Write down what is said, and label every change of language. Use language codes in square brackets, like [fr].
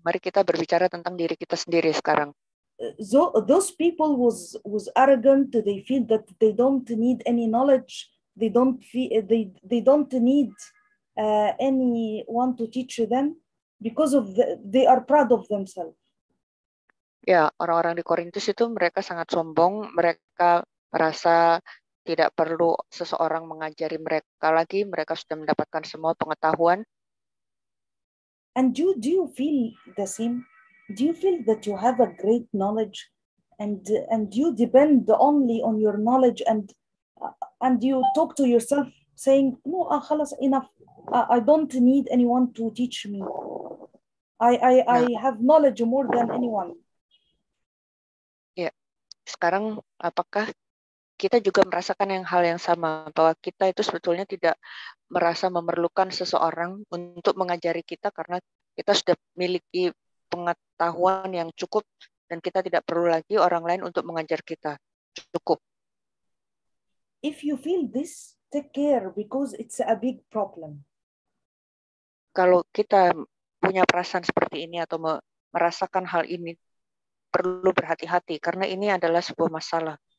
[id] Mari kita berbicara tentang diri kita sendiri sekarang. [en] Those people was arrogant. They feel that they don't need any knowledge. They don't need anyone to teach them because of they are proud of themselves. [id] Ya, orang-orang di Korintus itu mereka sangat sombong. Mereka merasa tidak perlu seseorang mengajari mereka lagi. Mereka sudah mendapatkan semua pengetahuan. [en] And do you feel the same? Do you feel that you have a great knowledge, and you depend only on your knowledge, and you talk to yourself saying, "No, khalas, enough. I don't need anyone to teach me. I have knowledge more than anyone." [id] Sekarang apakah kita juga merasakan yang hal yang sama, bahwa kita itu sebetulnya tidak merasa memerlukan seseorang untuk mengajari kita, karena kita sudah memiliki pengetahuan yang cukup dan kita tidak perlu lagi orang lain untuk mengajar kita, cukup. [en] If you feel this, take care, because it's a big problem. [id] Kalau kita punya perasaan seperti ini atau merasakan hal ini, perlu berhati-hati, karena ini adalah sebuah masalah.